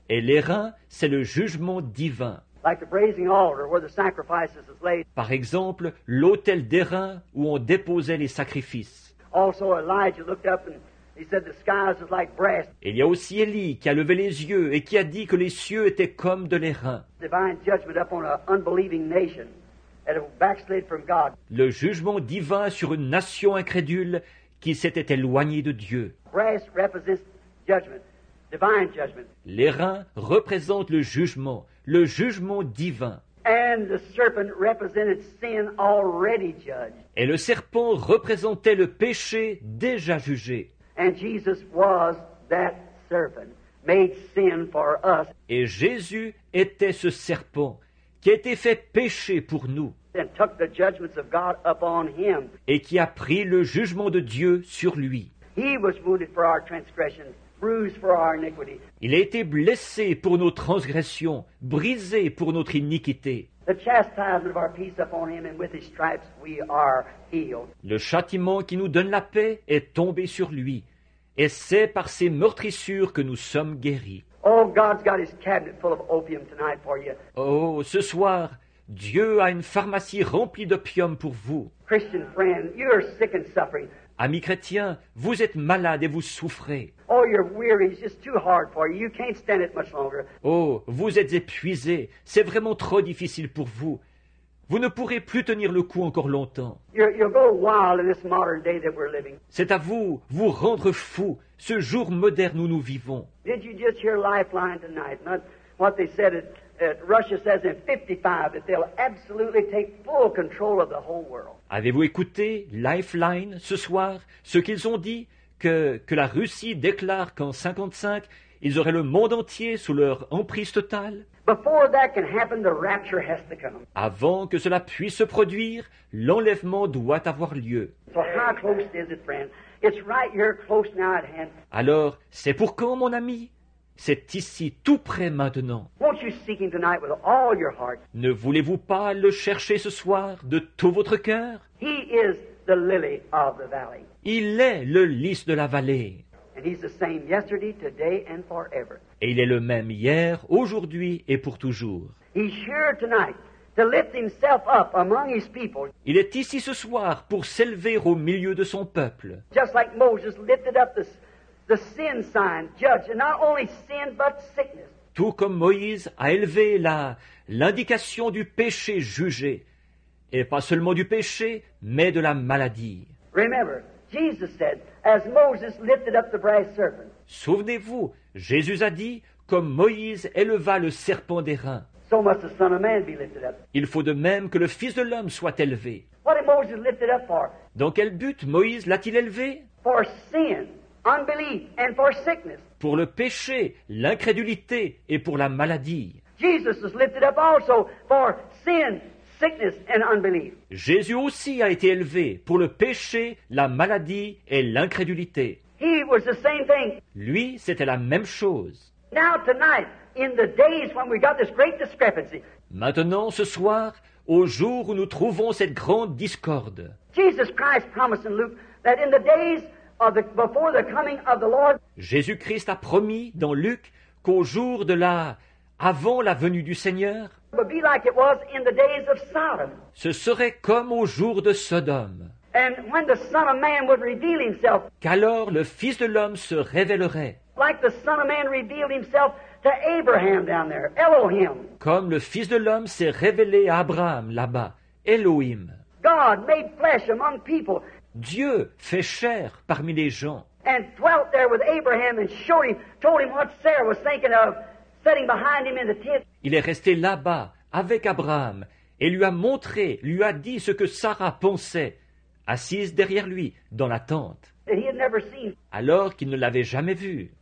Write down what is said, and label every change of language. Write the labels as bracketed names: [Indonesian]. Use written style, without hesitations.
[French] Et l'airain, c'est le jugement divin. [English] Like the brazen altar where the sacrifices is laid. [French] Par exemple, l'autel d'airain où on déposait les sacrifices. [English] Also, Elijah looked up and he said the skies was like brass. [French] Il y a aussi Élie qui a levé les yeux et qui a dit que les cieux étaient comme de l'airain. [English] Divine judgment upon an unbelieving nation that had backslid from God. [French] Le jugement divin sur une nation incrédule qui s'était éloignée de Dieu. [English] Brass represents judgment, divine judgment. [French] L'airain représente le jugement divin. [English] And the serpent represented sin already judged. [French] Et le serpent représentait le péché déjà jugé. [English] And Jesus was that serpent, made sin for us. [French] Et Jésus était ce serpent qui a été fait péché pour nous. [English] And took the judgments of God upon him. [French] Et qui a pris le jugement de Dieu sur lui. [English] He was wounded for our transgressions, bruised for our iniquity. [French] Il a été blessé pour nos transgressions, brisé pour notre iniquité. [English] The chastisement of our peace upon him, and with his stripes we are healed. [French] Le châtiment qui nous donne la paix est tombé sur lui, et c'est par ses meurtrissures que nous sommes guéris. [English] Oh, God's got his cabinet full of opium tonight for you. [French] Oh, ce soir, Dieu a une pharmacie remplie d'opium pour vous. [English] Christian friend, you are sick and suffering. [French] Ami chrétien, vous êtes malade et vous souffrez. [English] Oh, you're weary. It's just too hard for you. You can't stand it much longer. [French] Oh, vous êtes épuisé. C'est vraiment trop difficile pour vous. Vous ne pourrez plus tenir le coup encore longtemps. [English] You'll go wild in this modern day that we're living. [French] C'est à vous rendre fou, ce jour moderne où nous vivons. [English] Did you just hear Lifeline tonight? Not what they said at Russia says in 55 that they'll absolutely take full control of the whole world. [French] Avez-vous écouté Lifeline ce soir, ce qu'ils ont dit, que la Russie déclare qu'en 55, ils auraient le monde entier sous leur emprise totale? [English] Before that can happen, the rapture has to come. [French] Avant que cela puisse se produire, l'enlèvement doit avoir lieu. [English] So how close is it, friend? It's right here, close now at hand. [French] Alors, c'est pour quand, mon ami? C'est ici, tout près maintenant. [English] Won't you seek him tonight with all your heart? [French] Ne voulez-vous pas le chercher ce soir de tout votre cœur? [English] He is the lily of the valley. [French] Il est le lys de la vallée. [English] And he's the same yesterday, today, and forever. [French] Et il est le même hier, aujourd'hui et pour toujours. [English] He's here tonight to lift himself up among his people. [French] Il est ici ce soir pour s'élever au milieu de son peuple. [English] Just like Moses lifted up the the sin sign, judge, and not only sin but sickness. [French] Tout comme Moïse a élevé l'indication du péché jugé, et pas seulement du péché, mais de la maladie. [English] Remember, Jesus said, as Moses lifted up the brass serpent. [French] Souvenez-vous, Jésus a dit, comme Moïse éleva le serpent d'airain. [English] So must the Son of Man be lifted up. [French] Il faut de même que le Fils de l'homme soit élevé. [English] What did Moses lift it up for? [French] Dans quel but Moïse l'a-t-il élevé? [English] For sin, unbelief, and for sickness. [French] Pour le péché, l'incrédulité et pour la maladie. [English] Jesus was lifted up also for sin, sickness, and unbelief. [French] Jésus aussi a été élevé pour le péché, la maladie et l'incrédulité. [English] He was the same thing. [French] Lui, c'était la même chose. [English] Now tonight, in the days when we got this great discrepancy. [French] Maintenant, ce soir, au jour où nous trouvons cette grande discorde. [English] Jesus Christ promised in Luke that in the days of the before the coming of the Lord. [French] Jésus-Christ a promis dans Luc qu'au jour de la avant la venue du Seigneur. [English] Would be like it was in the days of Sodom. [French] Ce serait comme au jour de Sodome. [English] And when the Son of Man would reveal himself. [French] Qu'alors le Fils de l'homme se révélerait. [English] Like the Son of Man revealed himself to Abraham down there, Elohim. [French] Comme le Fils de l'homme s'est révélé à Abraham là-bas, Elohim. [English] God made flesh among people. [French] Dieu fait chair parmi les gens. [English] And dwelt there with Abraham and showed him, told him what Sarah was thinking of, sitting behind him in the tent. [French] Il est resté là-bas avec Abraham et lui a montré, lui a dit ce que Sarah pensait, assise derrière lui dans la tente. [English] And he had never seen. [French] Alors qu'il ne l'avait jamais vue.